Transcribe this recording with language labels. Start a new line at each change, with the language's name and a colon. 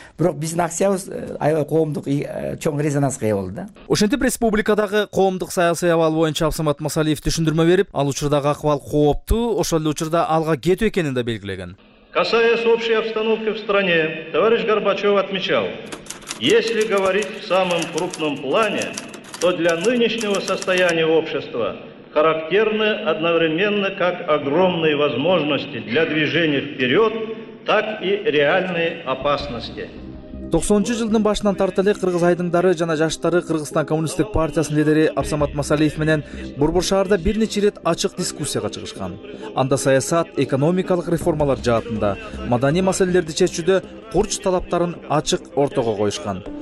Kyrgyz: Бирок биздин акциябыз аябай коомдук чоң резонанска ээ болду да. Ошентип республикадагы коомдук саясий абал боюнча Абсамат Масалиев түшүндүрмө берип, ал учурдагы акыбал кооптуу, ошол эле учурда алга кетүү экенин да белгилеген.
Russian: Касаясь общей обстановки в стране, товарищ Горбачев отмечал: если говорить в самом крупном плане, то для нынешнего состояния общества характерны одновременно как огромные возможности для движения вперед, так и реальные опасности.
Kyrgyz: 90-чы жылдын башынан тарта эле кыргыз айдындары жана жаштары Кыргызстан коммунисттик партиясынын лидери Абсамат Масалиев менен Борбор шаарында бир нече ирет ачык дискуссияга чыгышкан. Анда саясат, экономикалык реформалар жаатында, маданий маселелерди чечүүдө курч талаптарын ачык ортого коюшкан.